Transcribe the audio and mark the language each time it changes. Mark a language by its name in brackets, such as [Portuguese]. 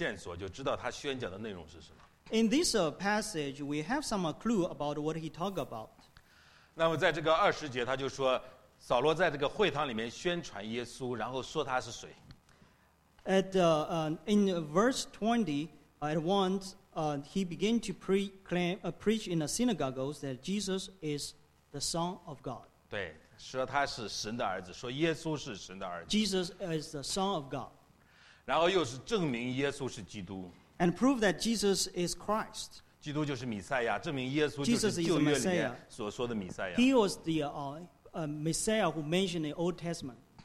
[Chinese] 那么在这里的话，在大马士革这一段的记载的话，我们就有些线索，就知道他宣讲的内容是什么。 [English] In this passage, we have some clue about what he talked about. [Chinese] 那么在这个二十节，他就说。扫罗在这个会堂里面宣传耶稣，然后说他是谁。 [English] In verse 20, at once he began to preach in the synagogues that Jesus is the Son of God. [Chinese] 对，说他是神的儿子，说耶稣是神的儿子。 [English] Jesus is the Son of God. [Chinese] 然后又是证明耶稣是基督。 [English] And prove that Jesus is Christ. [Chinese] 基督就是弥赛亚，证明耶稣就是旧约里面所说的弥赛亚。 [English] He was the Messiah who mentioned the Old Testament.